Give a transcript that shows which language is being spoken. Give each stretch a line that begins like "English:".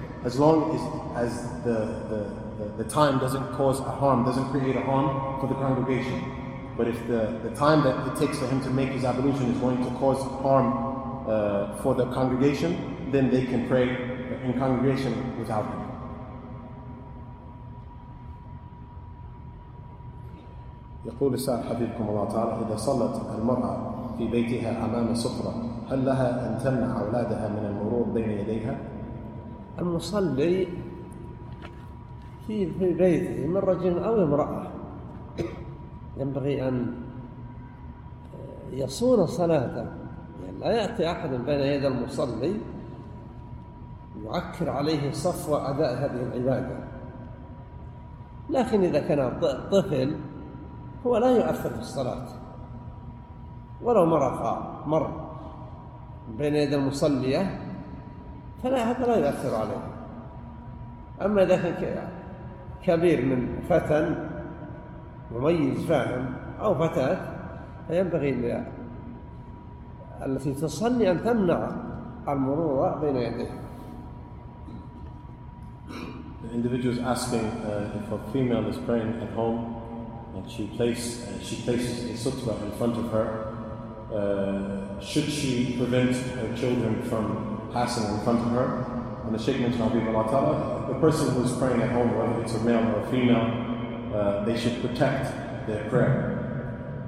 English: As long as the time doesn't cause a harm, doesn't create a harm for the congregation. But if the time that it takes for him to make his ablution is going to cause harm for the congregation, then they can pray in congregation without him.
Arabic: يقول السائل حبيبكم الله تعالى إذا صلت المرأة في بيتها أمام سفرة هل لها أن تمنع أولادها من المرور بين يديها؟ المصلي في بيته من رجل أو امرأة ينبغي أن يصون صلاته يعني لا يأتي أحد بين يدي المصلي يعكر عليه صفو أداء هذه العبادة لكن إذا كان طفل هو لا يؤثر في الصلاة ولو مر بين يدي المصلية هذا لا يؤثر عليه أما إذا كان كبير من فتى مميز فاهم أو فتاة فينبغي التي تصلي أن تمنع المرور بين يديه.
English: The individual is asking if a female is praying at home and she places a sutra in front of her, should she prevent her children from passing in front of her? And the Shaykh mentioned Abu Bala Ta'ala, the person who is praying at home, whether it's a male or a female, they should protect their prayer.